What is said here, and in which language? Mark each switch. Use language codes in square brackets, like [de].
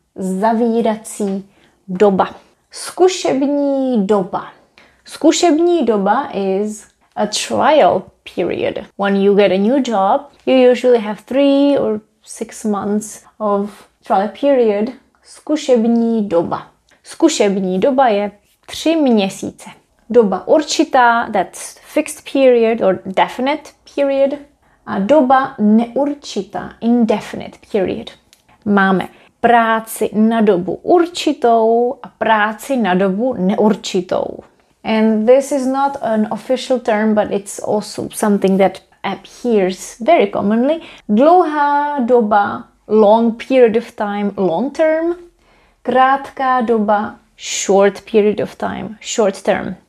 [cs] Zavírací doba. Zkušební doba. Zkušební doba [en] is a trial period. When you get a new job, you usually have 3 or 6 months of trial period. [cs] Zkušební doba. Zkušební doba je 3 měsíce. Doba určitá, [en] that's fixed period or definite period. [cs] A doba neurčitá, [en] indefinite period. [cs] Máme práci na dobu určitou a práci na dobu neurčitou. [en] And this is not an official term, but it's also something that appears very commonly. [cs] Dlouhá doba, [en] long period of time, long term. [cs] Krátká doba, [en] short period of time, short term.